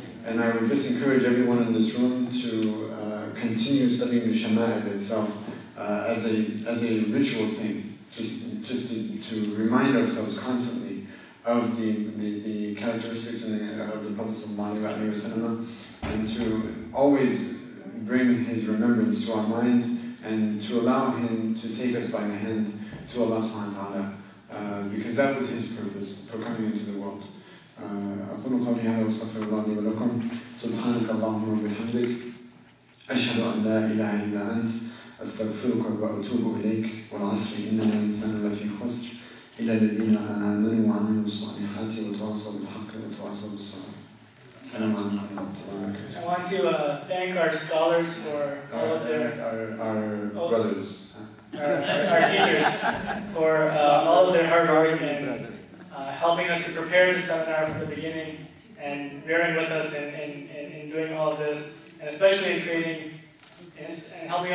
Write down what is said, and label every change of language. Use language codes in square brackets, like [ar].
[en] And I would just encourage everyone in this room to continue studying the shama'il itself as a ritual thing, just to remind ourselves constantly of the characteristics of the Prophet sallallahu alaihi wasallam, and to always bring his remembrance to our minds, and to allow him to take us by the hand to Allah subhanahu wa ta'ala, because that was his purpose for coming into the world. [ar] أقول قولي هذا واستغفر الله لي ولكم. سبحانك اللهم وبحمدك أشهد أن لا إله إلا أنت أستغفرك وأتوب إليك. والعصر إن الإنسان لفي خسر إلا الذين آمنوا وعملوا الصالحات وتواصوا بالحق وتواصوا بالصبر. السلام عليكم ورحمة الله وبركاته. [en] I want to thank our scholars for all of their our brothers, our teachers for all of their hard work and helping us to prepare the seminar from the beginning and bearing with us in doing all of this, and especially in creating and helping us.